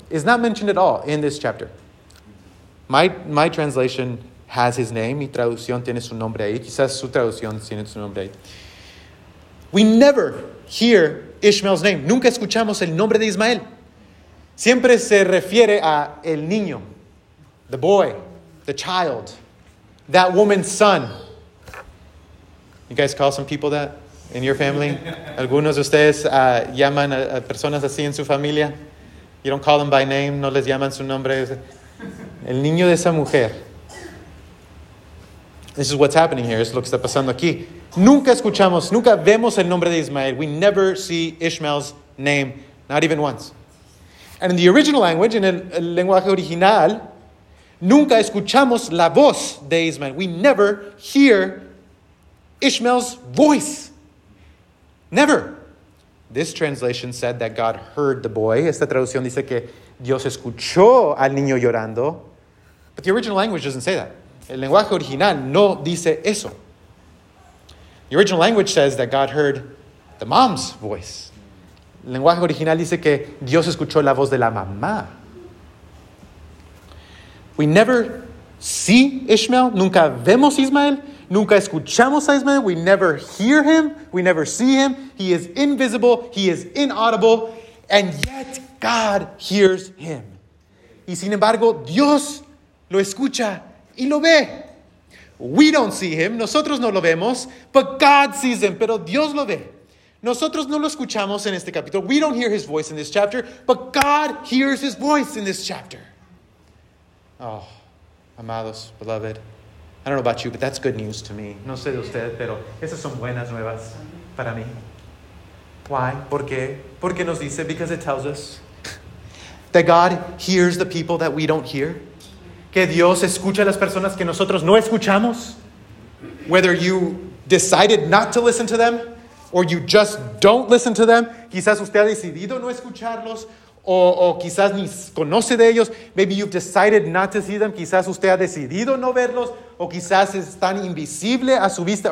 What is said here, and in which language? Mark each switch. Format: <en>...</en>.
<en>It's not mentioned at all in this chapter. My translation has his name.</en> <es>Mi traducción tiene su nombre ahí. Quizás su traducción tiene su nombre ahí.</es> <en>We never hear Ishmael's name.</en> <es>Nunca escuchamos el nombre de Ismael. Siempre se refiere a el niño,</es> <en>the boy, the child, that woman's son. You guys call some people that in your family?</en> <es>Algunos de ustedes llaman a personas así en su familia.</es> <en>You don't call them by name,</en> <es>no les llaman su nombre. El niño de esa mujer.</es> <en>This is what's happening here.</en> <es>Es lo que está pasando aquí. Nunca escuchamos, nunca vemos el nombre de Ismael.</es> <en>We never see Ishmael's name, not even once. And in the original language,</en> <es>in el lenguaje original, nunca escuchamos la voz de Ismael.</es> <en>We never hear Ishmael's voice. Never. This translation said that God heard the boy.</en> <es>Esta traducción dice que Dios escuchó al niño llorando.</es> <en>But the original language doesn't say that.</en> <es>El lenguaje original no dice eso.</es> <en>The original language says that God heard the mom's voice.</en> <es>El lenguaje original dice que Dios escuchó la voz de la mamá.</es> <en>We never see Ishmael.</en> <es>Nunca vemos a Ismael. Nunca escuchamos a Ismael.</es> <en>We never hear him. We never see him. He is invisible. He is inaudible. And yet God hears him.</en> <es>Y sin embargo, Dios lo escucha y lo ve.</es> <en>We don't see him.</en> <es>Nosotros no lo vemos.</es> <en>But God sees him.</en> <es>Pero Dios lo ve. Nosotros no lo escuchamos en este capítulo.</es> <en>We don't hear his voice in this chapter. But God hears his voice in this chapter. Oh, amados, beloved. I don't know about you, but that's good news to me.</en> <es>No sé de usted, pero esas son buenas nuevas para mí. Why? ¿Por qué? ¿Por qué nos dice?</es> <en>Because it tells us that God hears the people that we don't hear.</en> <es>Que Dios escucha a las personas que nosotros no escuchamos.</es> <en>Whether you decided not to listen to them or you just don't listen to them.</en> <es>Quizás usted ha decidido no escucharlos. O quizás ni conoce de ellos.</es> <en>Maybe you've decided not to see them.</en> <es>Quizás usted ha decidido no verlos. O quizás están invisible a su vista.</es>